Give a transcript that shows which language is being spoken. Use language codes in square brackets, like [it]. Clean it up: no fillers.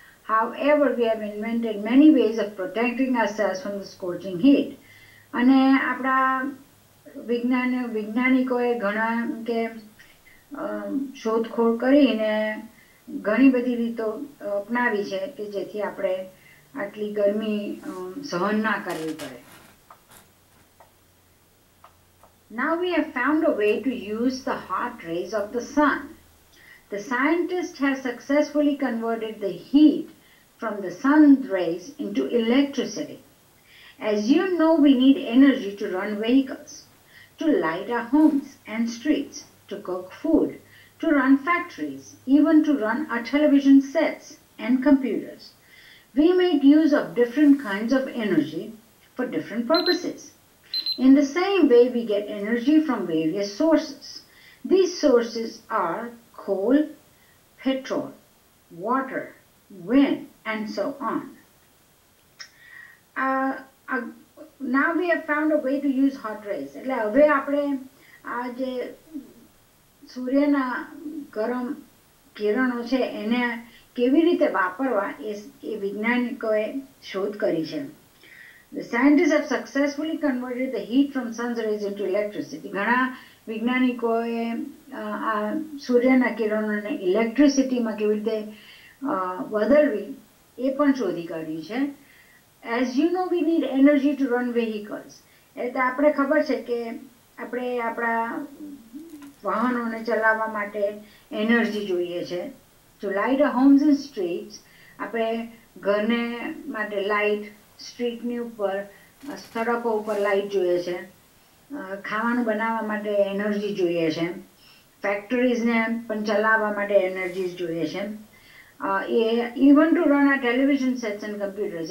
[en] However, we have invented many ways of protecting ourselves from the scorching heat. [gu] અને આપણા વૈજ્ઞાનિકોએ ઘણા કે શોધખોળ કરીને ઘણી બધી રીતો અપનાવી છે કે જેથી આપણે આટલી ગરમી સહન ના કરવી પડે. [en] Now we have found a way to use the hot rays of the sun. The scientist has successfully converted the heat from the sun rays into electricity. As you know, we need energy to run vehicles, to light our homes and streets, to cook food, to run factories, even to run our television sets and computers. We make use of different kinds of energy for different purposes. In the same way, we get energy from various sources. These sources are coal, petrol, water, wind, and so on. Now we have found a way to use hot rays. [gu] એટલે હવે આપણે આ જે સૂર્યના ગરમ કિરણો છે એને કેવી રીતે વાપરવા એ વૈજ્ઞાનિકોએ શોધ કરી છે. [en] The scientists have successfully converted the heat from sun's rays into electricity. [gu] ઘણા વૈજ્ઞાનિકોએ આ સૂર્યના કિરણોને ઇલેક્ટ્રિસિટીમાં કેવી રીતે બદલવી એ પણ શોધી કાઢી છે. [en] As you know, we need energy to run vehicles. [gu] એટલે આપણે ખબર છે કે આપણે આપણા વાહનોને ચલાવવા માટે એનર્જી જોઈએ છે. [en] To light our homes and streets, [gu] આપણે ઘરને માટે લાઇટ, સ્ટ્રીટની ઉપર સડકો ઉપર લાઇટ જોઈએ છે, ખાવાનું બનાવવા માટે એનર્જી જોઈએ છે, ફેક્ટરીઝને પણ ચલાવવા માટે એનર્જી જોઈએ છે, એ [en] Even to run આ television sets and computers.